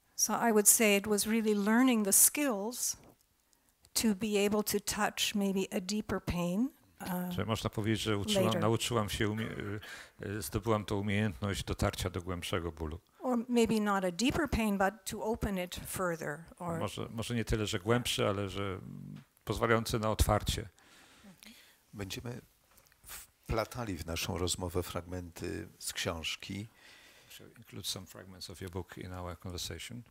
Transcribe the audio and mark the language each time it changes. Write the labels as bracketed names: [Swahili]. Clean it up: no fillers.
[English] So I would say it was really learning the skills to be able to touch maybe a deeper pain. [Polish] Czyli można powiedzieć, że nauczyłam się, zdobyłam tą umiejętność dotarcia do głębszego bólu. [English] Or maybe not a deeper pain, but to open it further. Or [Polish] może nie tyle, że głębszy, ale że pozwalający na otwarcie. Będziemy wplatali w naszą rozmowę fragmenty z książki. [English] We'll include some fragments of your book in our conversation.